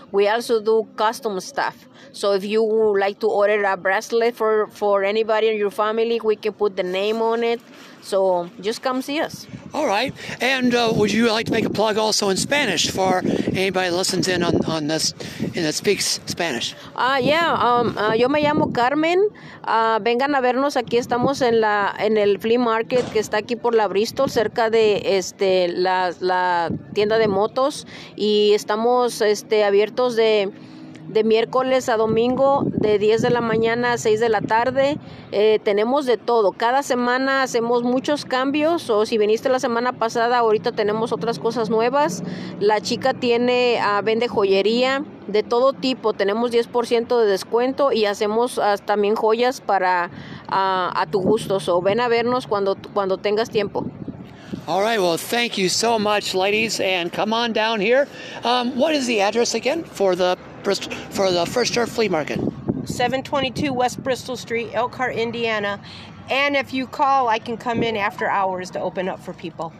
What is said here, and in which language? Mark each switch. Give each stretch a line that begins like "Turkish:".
English: We also do custom stuff. So if you would like to order a bracelet for anybody in your family, we can put the name on it. So just come see us. All right. And would you like to make a plug also in Spanish for anybody that listens in on this and that speaks Spanish?
Spanish: Yo me llamo Carmen. Vengan a vernos aquí. Estamos en la en el flea market que está aquí por la Bristol, cerca de la tienda de motos. Y estamos abiertos de miércoles a domingo, de 10 de la mañana a 6 de la tarde. Tenemos de todo. Cada semana hacemos muchos cambios. O si viniste la semana pasada, ahorita tenemos otras cosas nuevas. La chica tiene vende joyería de todo tipo. Tenemos 10% de descuento y hacemos también joyas para a tu gusto. So, ven a vernos cuando tengas tiempo.
English: All right, well, thank you so much, ladies, and come on down here. What is the address again for the First Start Flea Market? 722 West Bristol Street, Elkhart, Indiana. And if you call, I can come in after hours to open up for people.